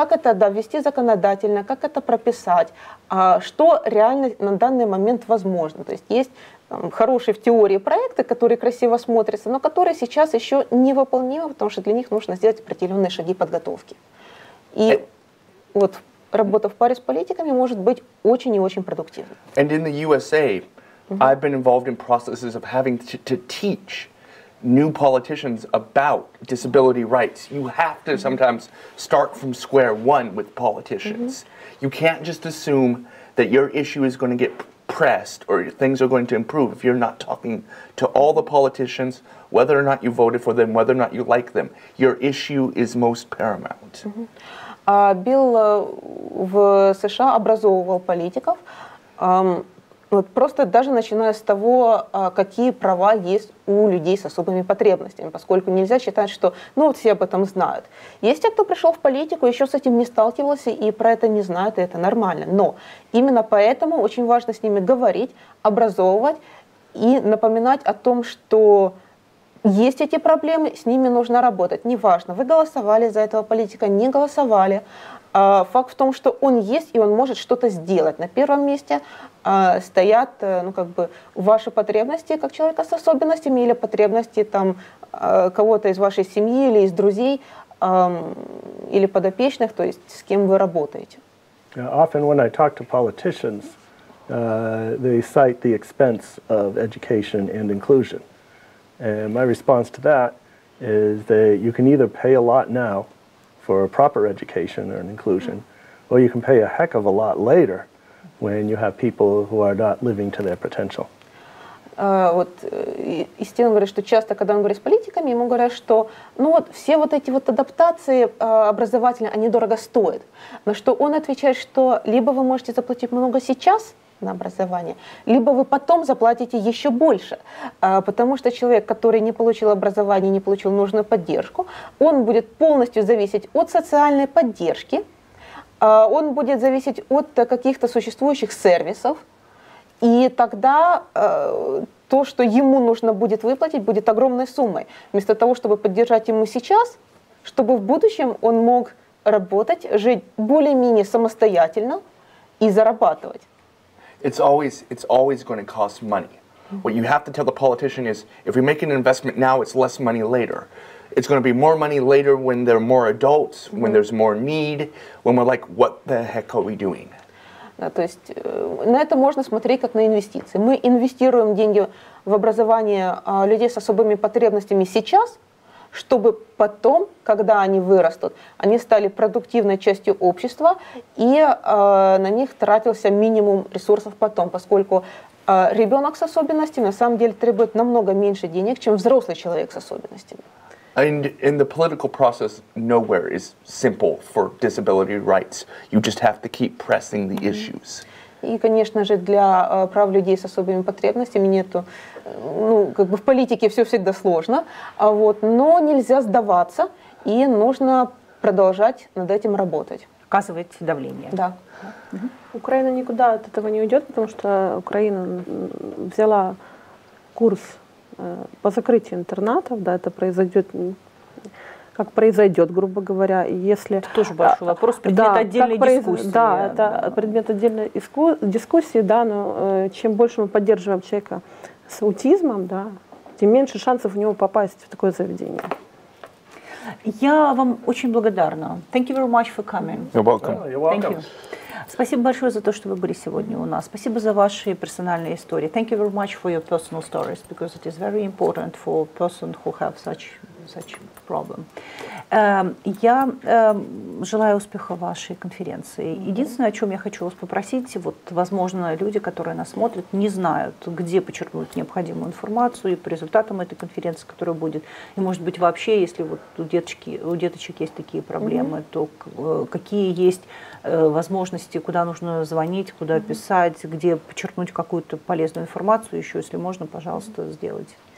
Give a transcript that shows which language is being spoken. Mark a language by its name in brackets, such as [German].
[Russian] Как это, да, ввести законодательно, как это прописать, что реально на данный момент возможно. То есть есть там, хорошие в теории проекты, которые красиво смотрятся, но которые сейчас еще невыполнимы, потому что для них нужно сделать определенные шаги подготовки. И вот работа в паре с политиками может быть очень и очень продуктивной. [English] And in the USA... Mm-hmm. I've been involved in processes of having to teach new politicians about disability rights. You have to mm-hmm. sometimes start from square one with politicians. Mm-hmm. You can't just assume that your issue is going to get pressed or things are going to improve if you're not talking to all the politicians, whether or not you voted for them, whether or not you like them. Your issue is most paramount. Mm-hmm. [Russian] Билл в США образовывал политиков. Вот просто даже начиная с того, какие права есть у людей с особыми потребностями, поскольку нельзя считать, что ну, вот все об этом знают. Есть те, кто пришел в политику, еще с этим не сталкивался и про это не знают, и это нормально. Но именно поэтому очень важно с ними говорить, образовывать и напоминать о том, что есть эти проблемы, с ними нужно работать. Неважно, вы голосовали за этого политика, не голосовали. Факт в том, что он есть, и он может что-то сделать. На первом месте стоят ну, как бы ваши потребности как человека с особенностями или потребности там, кого-то из вашей семьи или из друзей или подопечных, то есть с кем вы работаете. [English] Often when I talk to politicians, they cite the expense of education and inclusion. And my response to that is that you can either pay a lot now for a proper education or an inclusion, mm-hmm. or you can pay a heck of a lot later when you have people who are not living to their potential. [Russian] Вот Истин говорит, что часто, когда он говорит с политиками, ему говорят, что ну вот все вот эти вот адаптации образовательные, они дорого стоят. На что он отвечает, что либо вы можете заплатить много сейчас на образование, либо вы потом заплатите еще больше, потому что человек, который не получил образование, не получил нужную поддержку, он будет полностью зависеть от социальной поддержки, он будет зависеть от каких-то существующих сервисов, и тогда то, что ему нужно будет выплатить, будет огромной суммой. Вместо того, чтобы поддержать ему сейчас, чтобы в будущем он мог работать, жить более-менее самостоятельно и зарабатывать. [English] It's always going to cost money. What you have to tell the politician is, if we make an investment now, it's less money later. It's going to be more money later when they're more adults, mm-hmm. when there's more need, when we're like, what the heck are we doing? [Russian] Да, то есть на это можно смотреть как на инвестиции. Мы инвестируем деньги в образование людей с особыми потребностями сейчас, чтобы потом, когда они вырастут, они стали продуктивной частью общества, и на них тратился минимум ресурсов потом, поскольку ребенок с особенностями на самом деле требует намного меньше денег, чем взрослый человек с особенностями. [English] And in the political process, nowhere is simple for disability rights. You just have to keep pressing the issues. [Russian] И, конечно же, для прав людей с особыми потребностями нету, ну, как бы в политике все всегда сложно, вот, но нельзя сдаваться, и нужно продолжать над этим работать. Оказывать давление. Да. Украина никуда от этого не уйдет, потому что Украина взяла курс по закрытию интернатов, да, это произойдет, как произойдет, грубо говоря, и если... Это тоже большой вопрос, предмет дискуссии. Да, это предмет отдельной дискуссии, да, но чем больше мы поддерживаем человека с аутизмом, да, тем меньше шансов у него попасть в такое заведение. Я вам очень благодарна. [English] Thank you very much for coming. You're welcome. Yeah, you're welcome. [Russian] Спасибо большое за то, что вы были сегодня у нас. Спасибо за ваши персональные истории. [English] Thank you very much for your personal stories, because it is very important for a person who have such problem. [Russian] Я желаю успеха вашей конференции. Единственное, о чем я хочу вас попросить, вот, возможно, люди, которые нас смотрят, не знают, где почерпнуть необходимую информацию по результатам этой конференции, которая будет. И, может быть, вообще, если вот у деточек есть такие проблемы, то какие есть возможности, куда нужно звонить, куда писать, где почерпнуть какую-то полезную информацию, еще, если можно, пожалуйста, сделать.